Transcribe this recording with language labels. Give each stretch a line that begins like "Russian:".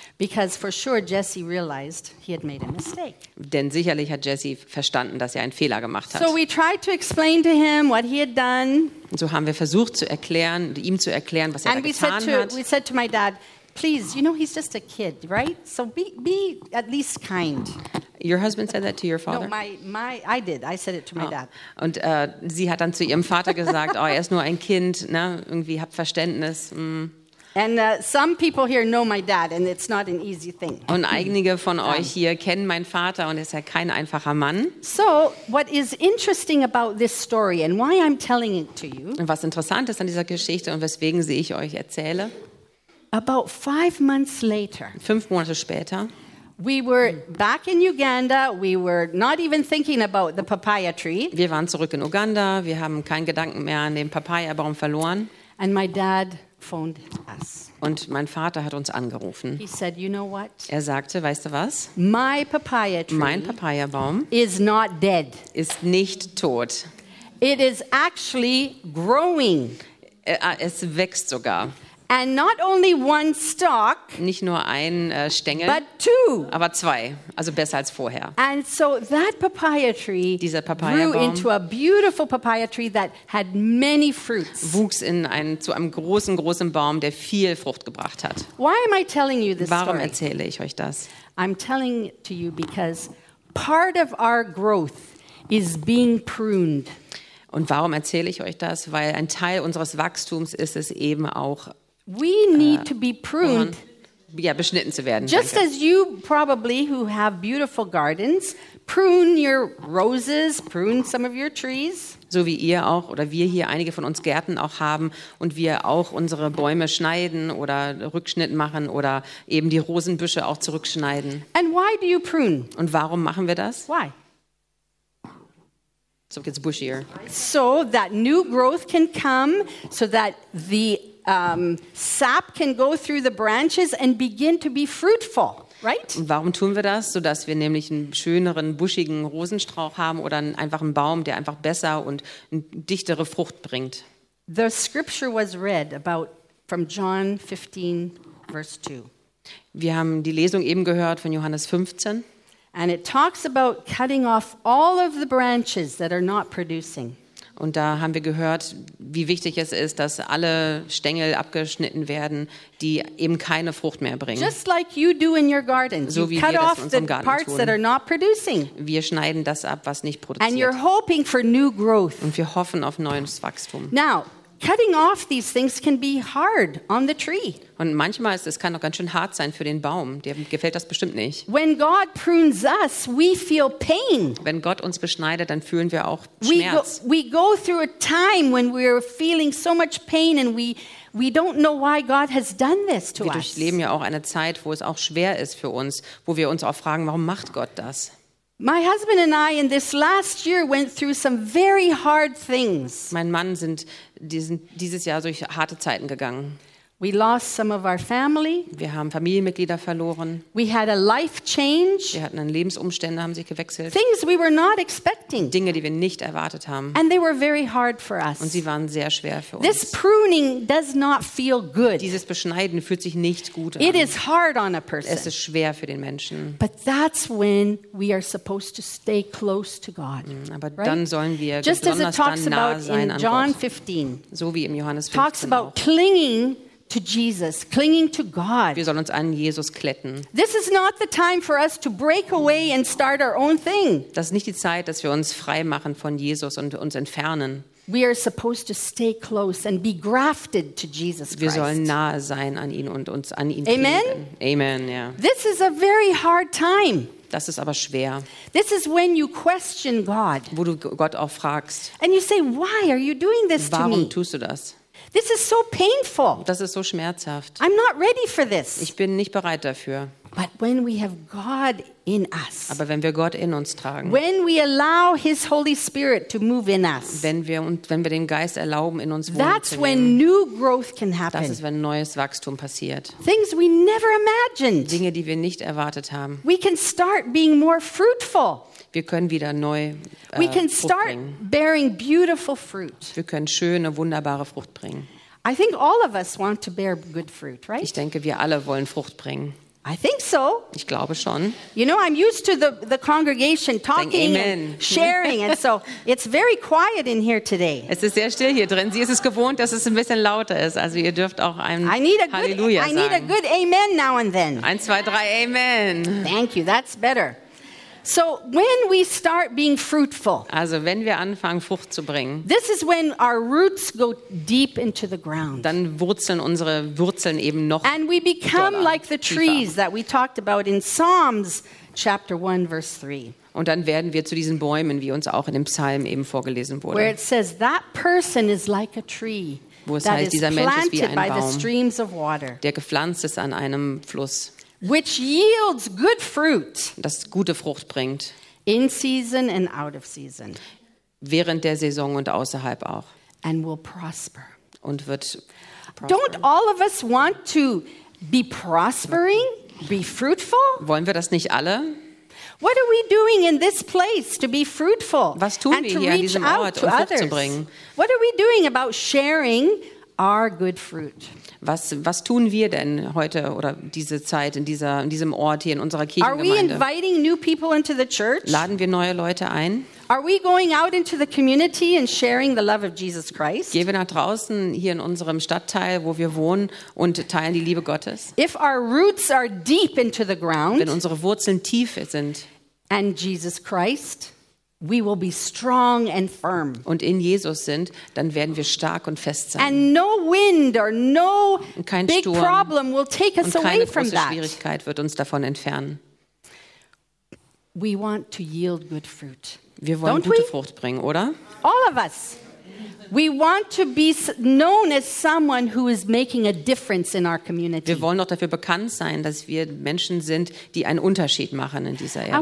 English: Because for sure Jesse realized he had made a mistake.
German: Denn sicherlich hat Jesse verstanden, dass er einen Fehler gemacht hat.
English: So we tried to explain to him what he had done.
German: So haben wir versucht zu erklären, ihm zu erklären, was er
English: and
German: da getan hat.
English: And we said to my dad, please, you know he's just a kid, right? So be at least kind. Your husband said that to your father? No, I did. I said it to my dad.
German: Und sie hat dann zu ihrem Vater gesagt, oh, er ist nur ein Kind, ne? Irgendwie hab Verständnis.
English: And some people here know my dad and it's not an easy thing.
German: Und einige von euch hier kennen meinen Vater und er ist ja kein einfacher Mann.
English: So what is interesting about this story and why I'm telling it to you?
German: Und was interessant ist an dieser Geschichte und weswegen sie ich euch erzähle?
English: About 5 months later.
German: 5 Monate später.
English: We were back in Uganda. We were not even thinking about the papaya tree.
German: Wir waren zurück in Uganda. Wir haben keinen Gedanken mehr an den Papaya-Baum verloren.
English: And my dad phoned us.
German: Und mein Vater hat uns angerufen.
English: He said, "You know what?"
German: Er sagte, weißt du was?
English: My papaya tree.
German: Mein Papaya-Baum.
English: Is not dead.
German: Ist nicht tot.
English: It is actually growing.
German: Es wächst sogar.
English: And not only one stalk,
German: nicht nur ein Stängel,
English: but two.
German: Aber zwei, also besser als vorher.
English: And so that papaya tree,
German: dieser Papaya-Baum,
English: grew into a beautiful papaya tree that had many fruits.
German: Wuchs in einen zu einem großen, großen Baum, der viel Frucht gebracht hat.
English: Why am I telling you this
German: Warum
English: story?
German: Erzähle ich euch das?
English: I'm telling to you because part of our growth is being pruned.
German: Und warum erzähle ich euch das? Weil ein Teil unseres Wachstums ist es eben auch
English: We need to be pruned.
German: Ja, beschnitten zu werden.
English: Just as you probably who have beautiful gardens prune your roses, prune some of your trees.
German: So wie ihr auch oder wir hier einige von uns Gärten auch haben und wir auch unsere Bäume schneiden oder Rückschnitt machen oder eben die Rosenbüsche auch zurückschneiden.
English: And why do you prune?
German: Und warum machen wir das?
English: Why? So it gets bushier. So that new growth can come, so that the sap can go through the branches and begin to be fruitful, right?
German: Warum tun wir das? So dass wir nämlich einen schöneren, buschigen Rosenstrauch haben oder einfach einen Baum, der einfach besser und dichtere Frucht bringt.
English: The scripture was read about from John 15, verse 2.
German: Wir haben die Lesung eben gehört von Johannes 15.
English: And it talks about cutting off all of the branches that are not producing.
German: Und da haben wir gehört, wie wichtig es ist, dass alle Stängel abgeschnitten werden, die eben keine Frucht mehr bringen.
English: Just like you do in your garden.
German: So wie
English: cut
German: wir
English: off
German: das in unserem Garten tun.
English: That are not producing.
German: Wir schneiden das ab, was nicht produziert.
English: And you're hoping for new growth.
German: Und wir hoffen auf neues Wachstum.
English: Now, cutting off these things can be hard on the tree.
German: Und manchmal ist es kann auch ganz schön hart sein für den Baum. Dem gefällt das bestimmt nicht.
English: When God prunes us, we feel pain.
German: Wenn Gott uns beschneidet, dann fühlen wir auch Schmerz.
English: We go through a time when we're feeling so much pain and we don't know why God has done this to us.
German: Wir durchleben ja auch eine Zeit, wo es auch schwer ist für uns, wo wir uns auch fragen, warum macht Gott das?
English: My husband and I in this last year went through some very hard things.
German: Mein Mann sind dieses Jahr durch harte Zeiten gegangen.
English: We lost some of our family.
German: Wir haben Familienmitglieder verloren.
English: We had a life change.
German: Wir hatten Lebensumstände, haben sich gewechselt.
English: Things we were not expecting.
German: Dinge, die wir nicht erwartet haben.
English: And they were very hard for us.
German: Und sie waren sehr schwer für uns.
English: This pruning does not feel good.
German: Dieses Beschneiden fühlt sich nicht gut an.
English: It is hard on a person.
German: Es ist schwer für den Menschen.
English: But that's when we are supposed to stay close to God.
German: Aber dann sollen wir besonders dann nah sein an Gott.
English: Just as it talks about in John 15.
German: So wie im Johannes 15.
English: Talks about clinging to Jesus, clinging to God.
German: Wir sollen uns an Jesus kletten.
English: This is not the time for us to break away and start our own thing.
German: Das ist nicht die Zeit, dass wir uns frei machen von Jesus und uns entfernen.
English: We are supposed to stay close and be grafted to Jesus Christ.
German: Wir sollen nahe sein an ihn und uns an ihn
English: Amen?
German: Kleben. Amen, yeah.
English: This is a very hard time.
German: Das ist aber schwer.
English: This is when you question God.
German: Wo du Gott auch fragst.
English: And you say, why are you doing this to me?
German: Warum tust du das?
English: This is so painful.
German: Das ist so schmerzhaft.
English: I'm not ready for this.
German: Ich bin nicht bereit dafür.
English: But when we have God in us.
German: Aber wenn wir Gott in uns tragen.
English: When we allow his Holy Spirit to move in us.
German: Wenn wir den Geist erlauben in uns wohnen zu lassen.
English: That's when new growth can happen.
German: Das ist, wenn neues Wachstum passiert.
English: Things we never imagined.
German: Dinge, die wir nicht erwartet haben.
English: We can start being more fruitful.
German: Wir können wieder neu
English: we can start
German: Frucht bringen.
English: Bearing beautiful fruit.
German: Wir können schöne, wunderbare Frucht bringen.
English: I think all of us want to bear good fruit, right?
German: Ich denke, wir alle wollen Frucht bringen.
English: I think so.
German: Ich glaube schon.
English: You know, I'm used to the congregation talking and sharing, and so it's very quiet in here today.
German: Es ist sehr still hier drin. Sie ist es gewohnt, dass es ein bisschen lauter ist. Also ihr dürft auch ein Halleluja sagen.
English: I need a good amen now and then. 1, 2, 3, amen. Thank you. That's better. So when we start being fruitful,
German: also wenn wir anfangen Frucht zu bringen,
English: this is when our roots go deep into the ground.
German: Dann wurzeln unsere Wurzeln eben noch tiefer.
English: And we become like the trees that we talked about in Psalms chapter 1 verse 3.
German: Und dann werden wir zu diesen Bäumen, wie uns auch in dem Psalm eben vorgelesen wurde.
English: Where it says that person is like a tree.
German: Wo es heißt, dieser Mensch ist wie ein Baum,
English: the streams of water.
German: Der gepflanzt ist an einem Fluss.
English: Which yields good fruit.
German: Das gute Frucht bringt.
English: In season and out of season.
German: Während der Saison und außerhalb auch.
English: And will prosper.
German: Und wird
English: prosper. Don't all of us want to be prospering, be fruitful?
German: Wollen wir das nicht alle?
English: What are we doing in this place to be fruitful?
German: Was tun wir hier an diesem Ort, um Frucht zu bringen?
English: What are we doing about sharing our good fruit?
German: Was tun wir denn heute oder diese Zeit in diesem Ort hier in unserer Kirchengemeinde?
English: Are we inviting new people into the church?
German: Laden wir neue Leute ein?
English: Are we going out into the community and sharing the love of Jesus Christ?
German: Gehen wir nach draußen hier in unserem Stadtteil, wo wir wohnen, und teilen die Liebe Gottes?
English: If our roots are deep into the ground,
German: wenn unsere Wurzeln tief sind,
English: and Jesus Christ, we will be strong and firm.
German: Und in Jesus sind, dann werden wir stark und fest sein.
English: And no wind or no big problem will take us away from that.
German: Und keine Schwierigkeit wird uns davon entfernen.
English: We want to yield good fruit.
German: Wir wollen gute Frucht bringen, oder?
English: All of us. We want to be known as someone who is making a difference in our community.
German: Wir wollen doch dafür bekannt sein, dass wir Menschen sind, die einen Unterschied machen in dieser Erde.